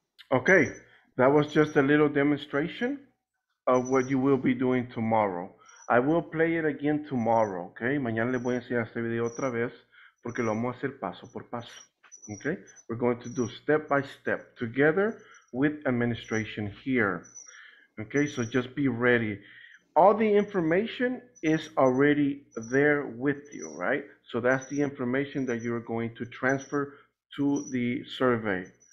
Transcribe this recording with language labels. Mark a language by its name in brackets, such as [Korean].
[English] Okay, that was just a little demonstration of what you will be doing tomorrow. I will play it again tomorrow, okay? [Spanish] Mañana le voy a enseñar este video otra vez porque lo vamos a hacer paso por paso, okay? [English] We're going to do step by step together with administration here. Okay, so just be ready. All the information is already there with you, right? So that's the information that you're going to transfer to the survey.